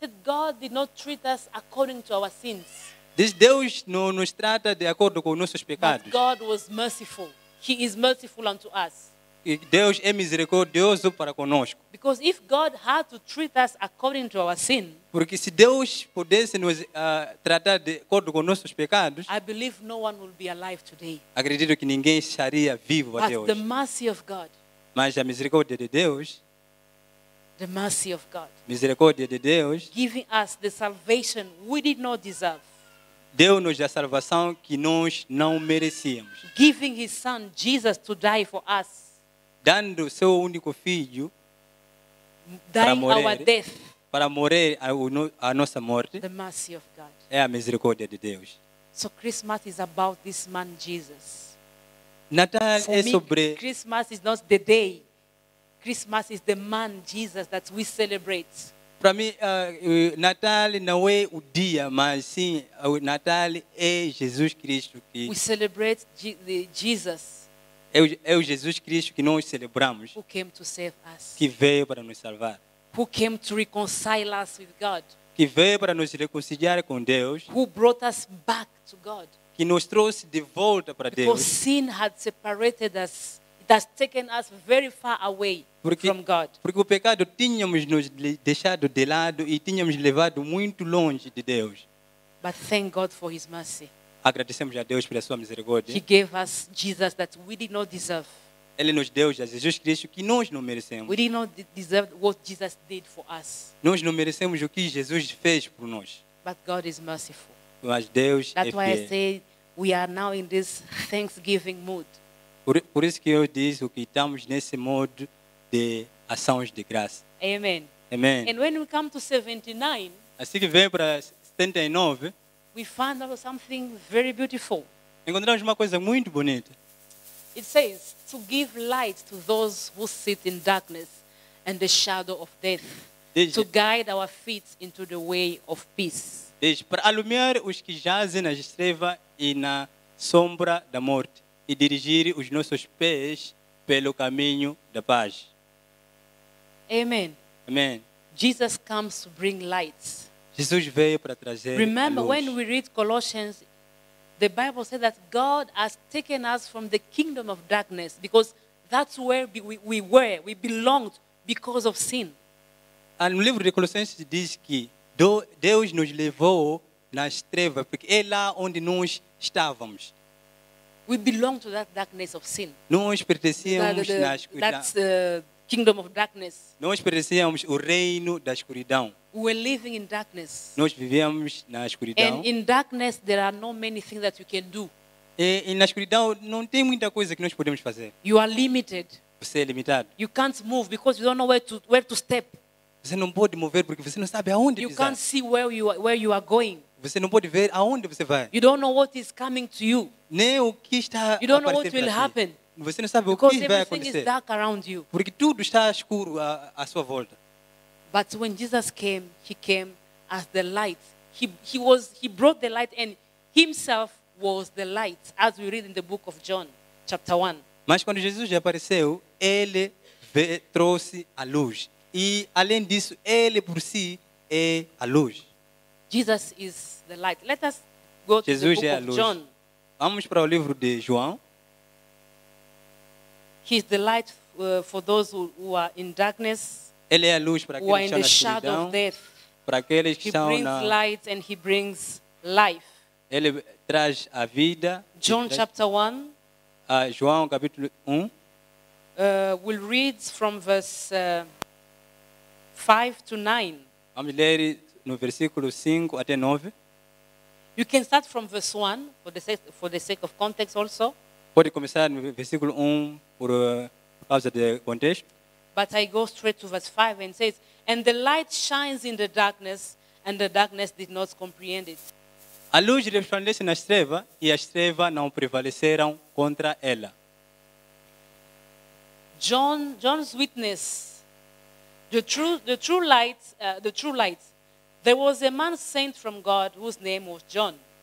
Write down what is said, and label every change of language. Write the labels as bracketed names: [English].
[English] God did not treat us according to our sins. [Portuguese] Diz Deus não nos trata de acordo com nossos pecados. [English] But God was merciful. He is merciful unto us. [Portuguese] E Deus é misericordioso para conosco. [English] Because if God had to treat us according to our sin. [Portuguese] Porque se Deus pudesse nos tratar de acordo com nossos pecados, [English] I believe no one will be alive today. [Portuguese] Acredito que ninguém estaria vivo até hoje. [English] The mercy of God. [Portuguese] Mas a misericórdia de Deus. [English] The mercy of God. [Portuguese] Misericórdia de Deus. [English] Giving us the salvation we did not deserve. [Portuguese] Deu-nos a salvação que nós não merecíamos. [English] Giving his son Jesus to die for us. [Portuguese] Dando seu único filho. [English] Dying [Portuguese] para morrer, [English] our death. [Portuguese] Para morrer a nossa morte. [English] The mercy of God. [Portuguese] É a misericórdia de Deus. [English] So Christmas is about this man Jesus. [Portuguese] Natal [English] for [Portuguese] é [English] me, [Portuguese] sobre. [English] Christmas is not the day. Christmas is the man Jesus that we celebrate. [Portuguese] Para mim, Natal não é o dia, mas sim, Natal é Jesus Cristo que. [English] We celebrate Jesus. [Portuguese] É o Jesus Cristo que nós celebramos. [English] Who came to save us. [Portuguese] Que veio para nos salvar. [English] Who came to reconcile us with God. [Portuguese] Que veio para nos reconciliar com Deus. [English] Who brought us back to God. [Portuguese] Que nos trouxe de volta para [English] Because Because sin had separated us. It has taken us very far away from God. [Portuguese] Porque o pecado tínhamos nos deixado de lado e tínhamos levado muito longe de Deus. [English] But thank God for his mercy. [Portuguese] Agradecemos a Deus pela sua misericórdia. [English] He gave us Jesus that we did not deserve. [Portuguese] Ele nos deu Jesus Cristo que nós não merecemos. [English] We did not deserve what Jesus did for us. [Portuguese] Nós não merecemos o que Jesus fez por nós. [English] But God is merciful. [Portuguese] Mas Deus [English] That's [Portuguese] é [English] why [Portuguese] fiel. [English] I say we are now in this thanksgiving mood. [Portuguese] Por isso que eu disse que estamos nesse modo de ações de graça. Amen. Amen. [English] And when we come to 79, [Portuguese] assim que vem para 79, [English] we found out something very beautiful. [Portuguese] Encontramos uma coisa muito bonita. [English] It says, to give light to those who sit in darkness and the shadow of death. [Portuguese] Desde, [English] to guide our feet into the way of peace. [Portuguese] Desde, para alumiar os que jazem na estreva e na sombra da morte. e dirigir os nossos pés pelo caminho da paz. Amen. Amen. [English] Jesus comes to bring light. [Portuguese] Jesus veio para trazer luz. [English] Remember when we read Colossians, the Bible says that God has taken us from the kingdom of darkness because that's where we were, we belonged because of sin. [Portuguese] No livro de Colossenses diz que Deus nos levou nas trevas porque é lá onde nós estávamos. [English] We belong to that darkness of sin. [Portuguese] Nós pertencíamos à escuridão. [English] That's the kingdom of darkness. [Portuguese] Nós pertencíamos ao reino da escuridão. [English] We were living in darkness. [Portuguese] Nós vivíamos na escuridão. [English] And in darkness there are not many things that you can do. [Portuguese] E na escuridão não tem muita coisa que nós podemos fazer. [English] You are limited. [Portuguese] Você é limitado. [English] You can't move because you don't know where to step. [Portuguese] Você não pode mover porque você não sabe aonde pisar. [English] You can't see where you are going. [Portuguese] Você não pode ver aonde você vai. [English] You don't know what is coming to you. [Portuguese] Nem o que está [English] a you don't know what will happen. [Portuguese] Você não sabe [English] because [Portuguese] o que vai acontecer. [English] Because everything is dark around you. [Portuguese] Porque tudo está escuro à sua volta. [English] But when Jesus came, he came as the light. He brought the light and himself was the light, as we read in the book of John, chapter 1. [Portuguese] Mas quando Jesus apareceu, ele trouxe a luz. E além disso, ele por si é a luz. [English] Jesus is the light. Let us go to Jesus the book [Portuguese] é [English] of John. [Portuguese] Vamos para o livro de João. [English] He is the light for those who are in darkness. [Portuguese] Ele é a luz para aqueles que estão na escuridão. [English] Of death. [Portuguese] Para aqueles que estão [English] brings [Portuguese] na... [English] light and he brings life. [Portuguese] Ele traz a vida. [English] John [Portuguese] traz... [English] chapter 1. [Portuguese] João capítulo 1. [English] We'll read from verse 5 to 9. [Portuguese] Vamos ler no versículo 5 até 9. [English] You can start from verse 1 for the sake of context also. [Portuguese] Pode começar no versículo 1 por causa de contexto. [English] But I go straight to verse 5 and says, and the light shines in the darkness, and the darkness did not comprehend it. [Portuguese] A luz resplandece na treva, e as trevas não prevaleceram contra ela. [English] John's witness, the true light. There was a man sent from God whose name was John.